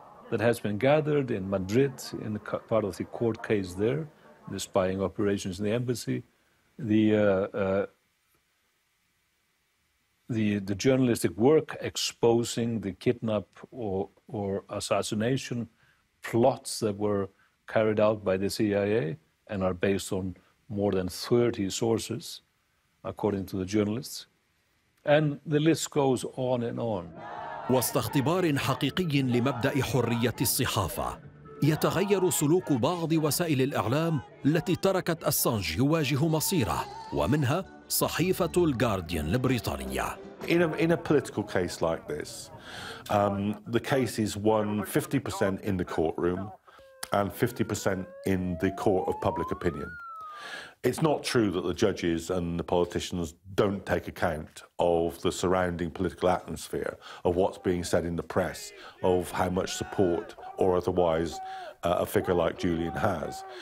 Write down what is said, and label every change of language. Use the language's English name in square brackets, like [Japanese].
[English] that has been gathered in Madrid, in the part of the court case there, the spying operations in the embassy, the journalistic work exposing the kidnap or assassination plots that were carried out by the CIA and are based on more than 30 sources, according to the journalists. And the list goes on and on. [Arabic] وسط اختبار حقيقي لمبدأ حرية الصحافة، يتغير سلوك بعض وسائل الإعلام التي تركت أسانج يواجه مصيره، ومنها صحيفة الغارديان البريطانية. [English] In a political case like this, the case is won 50% in the courtroom and 50% in the court of public opinion. It's not true that the judges and the politicians don't take account of the surrounding political atmosphere, of what's being said in the press, of how much support or otherwise a figure like Julian has.